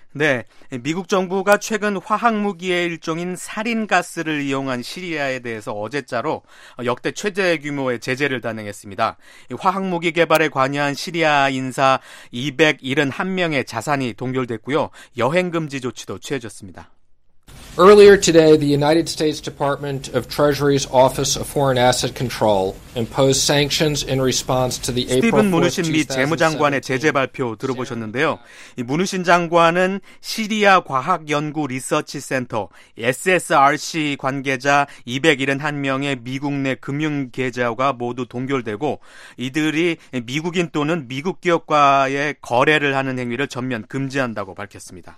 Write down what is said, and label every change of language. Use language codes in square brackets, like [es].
[ko] 네, 미국 정부가 최근 화학무기의 일종인 사린가스를 이용한 시리아에 대해서 어제자로 역대 최대 규모의 제재를 단행했습니다. 화학무기 개발에 관여한 시리아 인사 271명의 자산이 동결됐고요. 여행금지 조치도 취해졌습니다. [en] Earlier today, the United States Department of Treasury's Office of Foreign Asset Control imposed sanctions in response to the April 4th, 2017. [ko] 스티븐 무누신 미 재무장관의 제재 발표 들어보셨는데요. 이 무누신 장관은 시리아 과학연구 리서치 센터 SSRC 관계자 271명의 미국 내 금융 계좌가 모두 동결되고 이들이 미국인 또는 미국 기업과의 거래를 하는 행위를 전면 금지한다고 밝혔습니다.